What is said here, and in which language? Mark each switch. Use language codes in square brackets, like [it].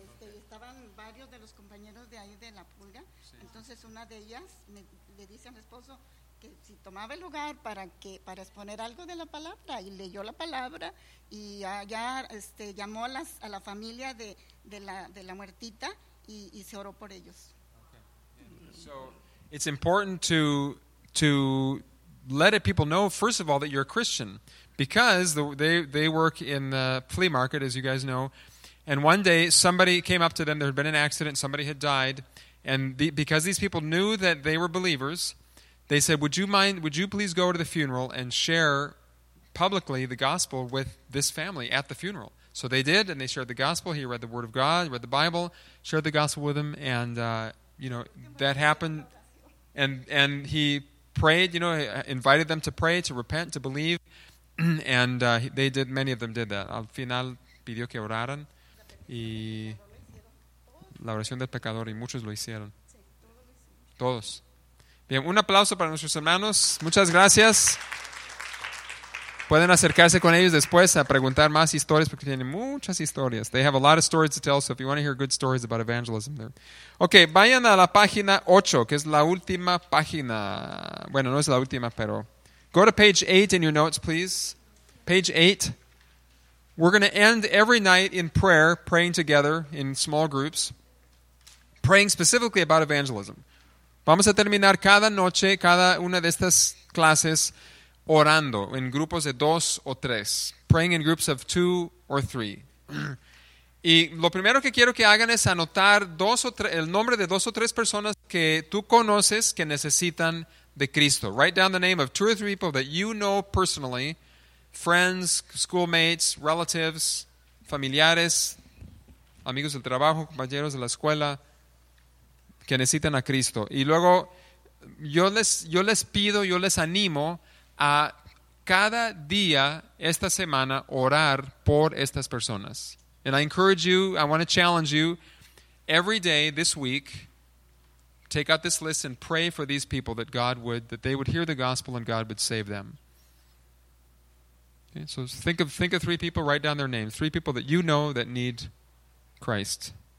[es] Y estaban varios de los compañeros de ahí de la Pulga. Entonces una de ellas le dice a mi esposo que si tomaba el lugar para exponer algo de la palabra, y leyó la palabra y allá llamó a la familia de la muertita y se oró por ellos. [en] It's important to let people know, first of all, that you're a Christian, because they work in the flea market, as you guys know, and one day somebody came up to them, there had been an accident, somebody had died, and because these people knew that they were believers, they said, would you please go to the funeral and share publicly the gospel with this family at the funeral? So they did, and they shared the gospel. He read the Word of God, read the Bible, shared the gospel with them, and that happened. And he prayed, invited them to pray, to repent, to believe, and they did. Many of them did that. [es] Al final pidió que oraran, y la oración del pecador, y muchos lo hicieron. Todos. Bien, un aplauso para nuestros hermanos. Muchas gracias. Pueden acercarse con ellos después a preguntar más historias, porque tienen muchas historias. [en] They have a lot of stories to tell, so if you want to hear good stories about evangelism there. [es] Okay, vayan a la página 8, que es la última página. Bueno, no es la última, pero [en] Go to page 8 in your notes, please. Page 8. We're going to end every night in prayer, praying together in small groups, praying specifically about evangelism. [es] Vamos a terminar cada noche, cada una de estas clases, orando en grupos de dos o tres, [en] praying in groups of two or three. [es] Y lo primero que quiero que hagan es anotar dos o tres, el nombre de dos o tres personas que tú conoces que necesitan de Cristo. [en] Write down the name of two or three people that you know personally, friends, schoolmates, relatives, [es] familiares, amigos del trabajo, compañeros de la escuela, que necesitan a Cristo. Y luego yo les animo a cada día esta semana orar por estas personas. [en] And I encourage you, I want to challenge you, every day this week, take out this list and pray for these people that God would, that they would hear the gospel and God would save them. Okay, so think of three people, write down their names. Three people that you know that need Christ.